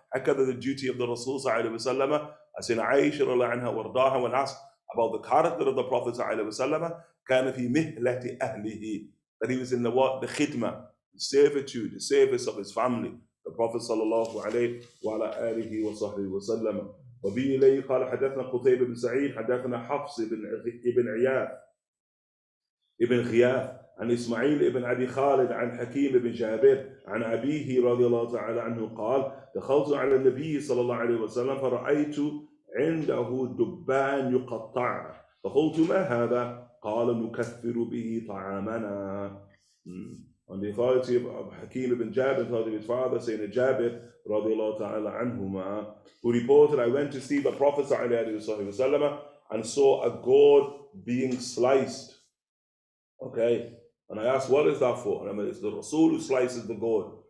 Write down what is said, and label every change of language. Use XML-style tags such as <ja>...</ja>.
<en>Hakadha the duty of the Rasul sallallahu alaihi wasallam. As in Aisha radhiyallahu anha wardaha, when asked about the character of the Prophet sallallahu alaihi wasallam,</en> <ar>kana fi mihlati ahlihi,</ar> <en>that he was in the what? The khidma, the servitude, the service of his family, the Prophet sallallahu alaihi wasallam.</en> <ar>وبي إليه قال حدثنا قتيبة بن سعيد حدثنا حفص بن عياف ابن غياث عن إسماعيل ابن أبي خالد عن حكيم بن جابر عن أبيه رضي الله تعالى عنه قال دخلت على النبي صلى الله عليه وسلم فرأيت عنده دبان يقطع فقلت ما هذا قال نكثر به طعامنا.</ar> <en>On the authority of Hakim ibn Jabir, authority of his father, Sayyidina Jabir, radiallahu ta'ala anhumah, who reported, I went to see the Prophet sallallahu alayhi wa sallam and saw a gourd being sliced. Okay? And I asked, what is that for? And I mean, it's the Rasul who slices the gourd.</en>